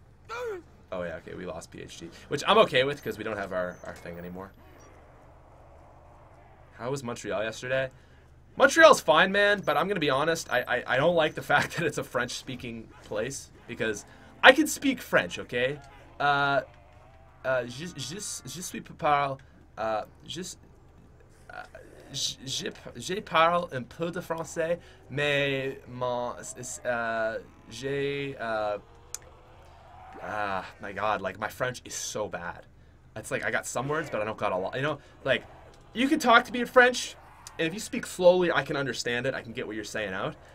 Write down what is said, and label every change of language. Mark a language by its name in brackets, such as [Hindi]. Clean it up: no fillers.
[English] Oh, okay. Oh, yeah, okay, we lost PhD. Which I'm okay with, because we don't have our thing anymore. How was Montreal yesterday? Montreal's fine, man, but I'm gonna be honest, I don't like the fact that it's a French speaking place, because I can speak French, okay? [French] Je parle un peu de français, mais [English] my French is so bad. It's like I got some words, but I don't got a lot. You know, like, you can talk to me in French, and if you speak slowly, I can understand it. I can get what you're saying out.